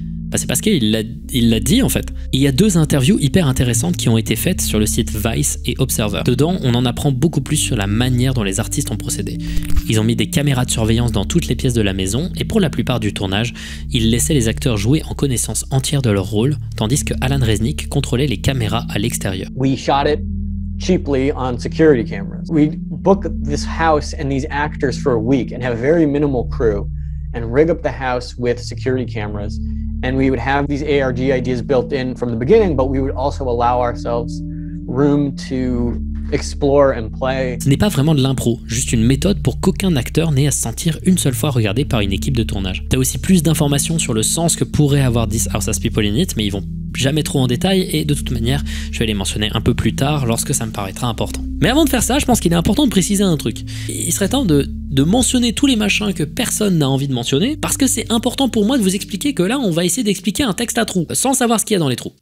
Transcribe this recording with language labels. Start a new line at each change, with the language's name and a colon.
French: Bah c'est parce qu'il l'a dit en fait. Il y a deux interviews hyper intéressantes qui ont été faites sur le site Vice et Observer. Dedans, on en apprend beaucoup plus sur la manière dont les artistes ont procédé. Ils ont mis des caméras de surveillance dans toutes les pièces de la maison et pour la plupart du tournage, ils laissaient les acteurs jouer en connaissance entière de leur rôle, tandis que Alan Resnick contrôlait les caméras à l'extérieur.
English: We shot it cheaply on security cameras. We book this house and these actors for a week and have very minimal crew and rig up the house with security cameras. And we would have these ARG ideas built in from the beginning, but we would also allow ourselves room to explore and play.
French: Ce n'est pas vraiment de l'impro, juste une méthode pour qu'aucun acteur n'ait à se sentir une seule fois regardé par une équipe de tournage. T'as aussi plus d'informations sur le sens que pourrait avoir This House Has People In It, mais ils vont jamais trop en détail, et de toute manière, je vais les mentionner un peu plus tard lorsque ça me paraîtra important. Mais avant de faire ça, je pense qu'il est important de préciser un truc. Il serait temps de mentionner tous les machins que personne n'a envie de mentionner, parce que c'est important pour moi de vous expliquer que là, on va essayer d'expliquer un texte à trous, sans savoir ce qu'il y a dans les trous.